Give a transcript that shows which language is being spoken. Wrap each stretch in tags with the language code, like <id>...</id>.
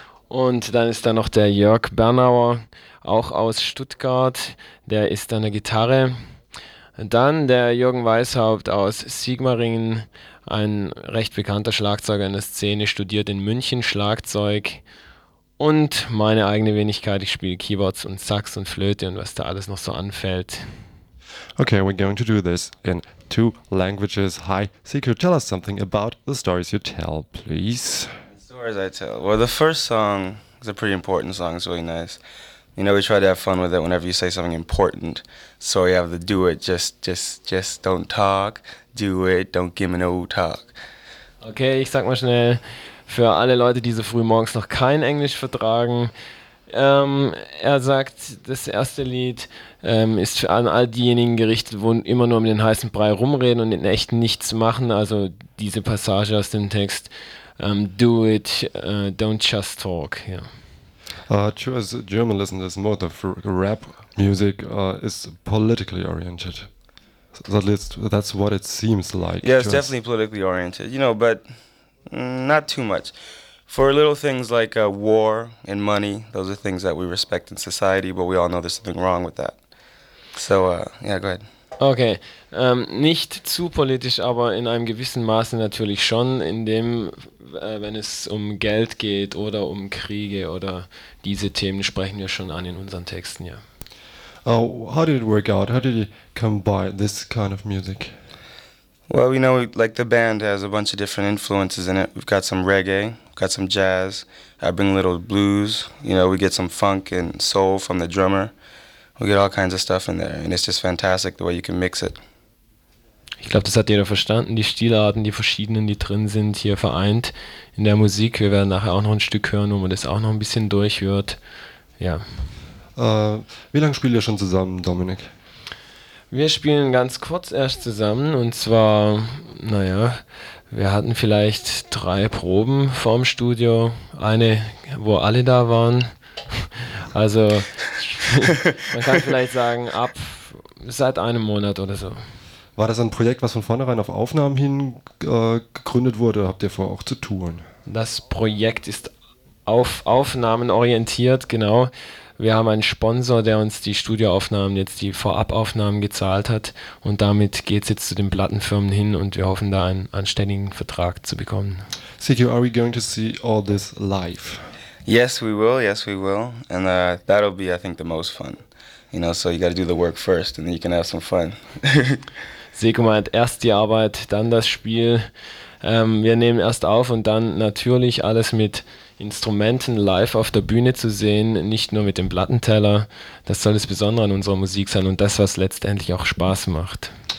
<de>Und dann ist da noch der Jörg Bernauer, auch aus Stuttgart, der ist an der Gitarre. Dann der Jürgen Weishaupt aus Sigmaringen, ein recht bekannter Schlagzeuger in der Szene, studiert in München Schlagzeug. Und meine eigene Wenigkeit, ich spiele Keyboards und Sax und Flöte und was da alles noch so anfällt.</de> <en>Okay, we're going to do this in two languages. Hi, Seku, tell us something about the stories you tell, please. The stories I tell. Well, the first song is a pretty important song, it's really nice. You know, we try to have fun with it whenever you say something important. So we have the do it, just don't talk. Do it, don't give me no talk.</en> <de>Okay, ich sag mal schnell, für alle Leute, die so früh morgens noch kein Englisch vertragen. Er sagt, das erste Lied ist für all diejenigen gerichtet, wo immer nur um den heißen Brei rumreden und in echt nichts machen. Also diese Passage aus dem Text,</de> <en>do it, don't just talk. Yeah. True, as a German listeners, most of rap music is politically oriented. So at least that's what it seems like. Yeah, it's definitely politically oriented, you know, but not too much. For little things like war and money, those are things that we respect in society, but we all know there's something wrong with that. So, yeah, go ahead.</en> <de>Okay, nicht zu politisch, aber in einem gewissen Maße natürlich schon, in dem, wenn es um Geld geht oder um Kriege oder diese Themen sprechen wir schon an in unseren Texten, ja.</de> <en>Oh, how did it work out? How did you combine this kind of music? Well, you know, like the band has a bunch of different influences in it. We've got some reggae, we've got some jazz. I bring a little blues. You know, we get some funk and soul from the drummer. We get all kinds of stuff in there, and it's just fantastic the way you can mix it.</en> <de>Ich glaube, das hat jeder verstanden. Die Stilarten, die verschiedenen, die drin sind, hier vereint in der Musik. Wir werden nachher auch noch ein Stück hören, wo man das auch noch ein bisschen durchhört. Ja. Wie lange spielt ihr schon zusammen, Dominik? Wir spielen ganz kurz erst zusammen und zwar, naja, wir hatten vielleicht 3 Proben vorm Studio, eine, wo alle da waren. Also, man kann vielleicht sagen, ab seit einem Monat oder so. War das ein Projekt, was von vornherein auf Aufnahmen hin gegründet wurde oder habt ihr vorher auch zu tun? Das Projekt ist auf Aufnahmen orientiert, genau. Wir haben einen Sponsor, der uns die Studioaufnahmen, jetzt die Vorabaufnahmen gezahlt hat und damit geht es jetzt zu den Plattenfirmen hin und wir hoffen da einen anständigen Vertrag zu bekommen.</de> <en>CQ, are we going to see all this live? Yes we will and that'll be I think the most fun. You know, so you gotta do the work first and then you can have some fun.</en> <de>Seko meint, erst die Arbeit, dann das Spiel. Wir nehmen erst auf und dann natürlich alles mit Instrumenten live auf der Bühne zu sehen, nicht nur mit dem Plattenteller. Das soll das Besondere an unserer Musik sein und das, was letztendlich auch Spaß macht.</de>